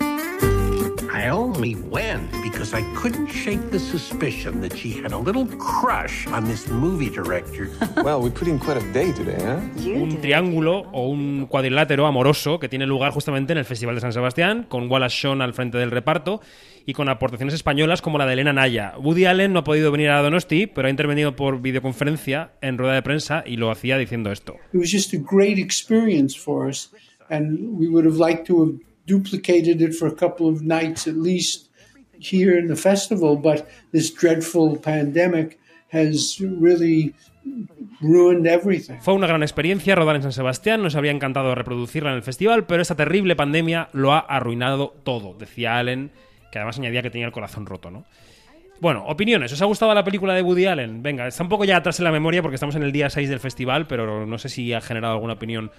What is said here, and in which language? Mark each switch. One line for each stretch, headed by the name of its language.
English: I only went because I couldn't shake the suspicion that she had a little crush on this movie director. Well, we put in quite a day today, huh?
Spanish: Un triángulo o un cuadrilátero amoroso que tiene lugar justamente en el Festival de San Sebastián, con Wallace Shawn al frente del reparto y con aportaciones españolas como la de Elena Naya. Woody Allen no ha podido venir a Donosti, pero ha intervenido por videoconferencia en rueda de prensa y lo hacía diciendo esto.
English: It was just a great experience for us, and we would have liked to have duplicated it for a couple of nights at least here in the festival, but this dreadful pandemic has really ruined everything.
Spanish: Fue una gran experiencia rodar en San Sebastián, nos había encantado reproducirla en el festival, pero esta terrible pandemia lo ha arruinado todo, decía Allen, que además añadía que tenía el corazón roto, ¿no? Bueno, opiniones. ¿Os ha gustado la película de Woody Allen? Venga, está un poco ya atrás en la memoria porque estamos en el día 6 del festival, pero no sé si ha generado alguna opinión.